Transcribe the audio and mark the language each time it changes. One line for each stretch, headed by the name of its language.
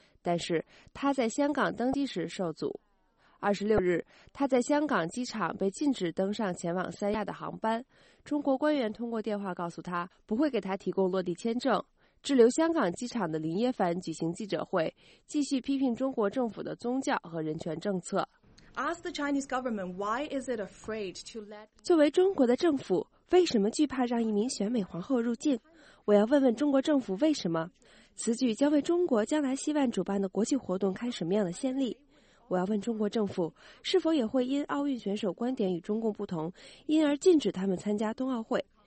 Chinese: 但是她在香港登机时受阻。26日，她在香港机场被禁止登上前往三亚的航班。中国官员通过电话告诉他，不会给他提供落地签证。滞留香港机场的林耶凡举行记者会，继续批评中国政府的宗教和人权政策。
English: Ask the Chinese government why is it afraid to let.
Chinese: 作为中国的政府，为什么惧怕让一名选美皇后入境？我要问问中国政府为什么？此举将为中国将来希望主办的国际活动开什么样的先例？我要问中国政府，是否也会因奥运选手观点与中共不同，因而禁止他们参加冬奥会？